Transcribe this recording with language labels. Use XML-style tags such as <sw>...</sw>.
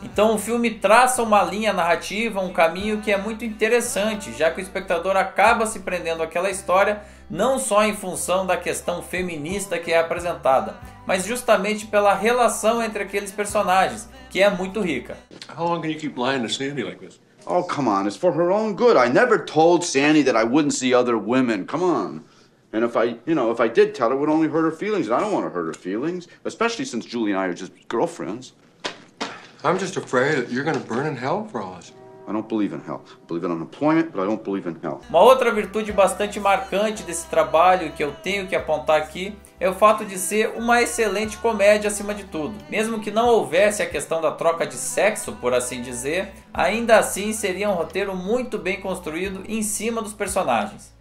<pt>Então o filme traça uma linha narrativa, um caminho que é muito interessante, já que o espectador acaba se prendendo àquela história, não só em função da questão feminista que é apresentada, mas justamente pela relação entre aqueles personagens, que é muito rica.</pt> <en>How long can you keep lying to Sandy like this? Oh, come on, it's for her own good. I never told Sandy that I wouldn't see other women. Come on. And if I, you know, if I did tell her, it would only hurt her feelings, and I don't want to hurt her feelings, especially since Julie and I are just girlfriends. I'm just afraid that you're going to burn in hell for us. I don't believe in hell. I believe in unemployment, but I don't believe in hell.</en> <pt>Uma outra virtude bastante marcante desse trabalho que eu tenho que apontar aqui é o fato de ser uma excelente comédia acima de tudo. Mesmo que não houvesse a questão da troca de sexo, por assim dizer, ainda assim seria um roteiro muito bem construído em cima dos personagens.</pt>